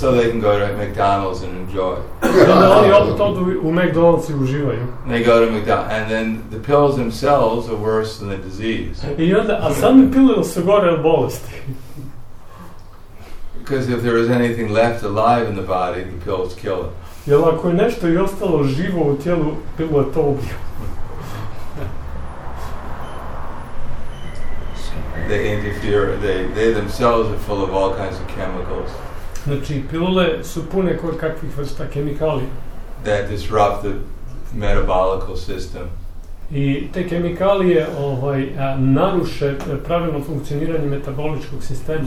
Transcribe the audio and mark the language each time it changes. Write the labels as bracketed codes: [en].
[en] So they can go to McDonald's and enjoy. [hr] Onda oni opet odu u McDonald's i uživaju. [en] They go to McDonald's and then the pills themselves are worse than the disease. [hr] I onda, a sami pilule su gore od bolesti. [en] Because if there is anything left alive in the body, the pills kill it. [hr] Jer ako je nešto i ostalo živo u tijelu, pilule to ubiju. [en] They interfere, they themselves are full of all kinds of chemicals. [hr] Znači, pilule su pune kojekakvih vrsta kemikalija. [en] That disrupt the metabolical system. [hr] I te kemikalije naruše pravilno funkcioniranje metaboličkog sistema.